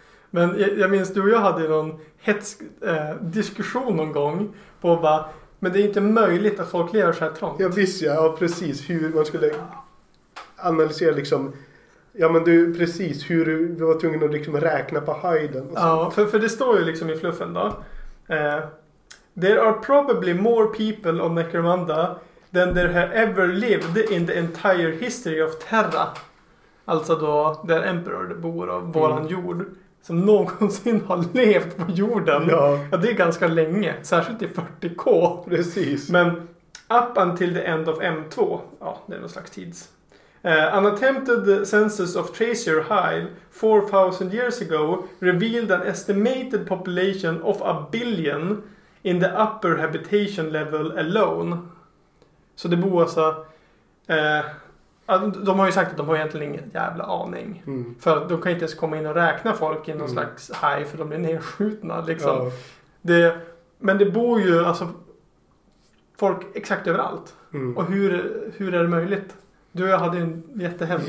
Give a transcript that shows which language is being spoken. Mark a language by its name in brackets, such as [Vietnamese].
[Swedish] Men jag minns du och jag hade någon hetsk diskussion någon gång på bara, men det är inte möjligt att folk lever så här trångt. Ja, visst, ja, ja, precis, hur man skulle analysera liksom. Ja, men du, precis, hur vi var tvungna att liksom räkna på höjden. Ja, för det står ju liksom i fluffen då. [English] There are probably more people on Necromunda than there have ever lived in the entire history of Terra. [Swedish] Alltså då där Emperor bor av våran jord. Som någonsin har levt på jorden. Ja. Ja, det är ganska länge. Särskilt i 40K. Precis. [English] Men up until the end of M2. [Swedish] Ja, det är någon slags tids. [English] An attempted census of Tracer Hive 4,000 years ago revealed an estimated population of a billion in the upper habitation level alone. [Swedish] Så det bor alltså... de har ju sagt att de har egentligen ingen jävla aning. Mm. För de kan inte ens komma in och räkna folk i någon slags high, för de blir nedskjutna. Liksom. Ja. Men det bor ju alltså folk exakt överallt. Mm. Och hur är det möjligt? Du hade en jättehemlig...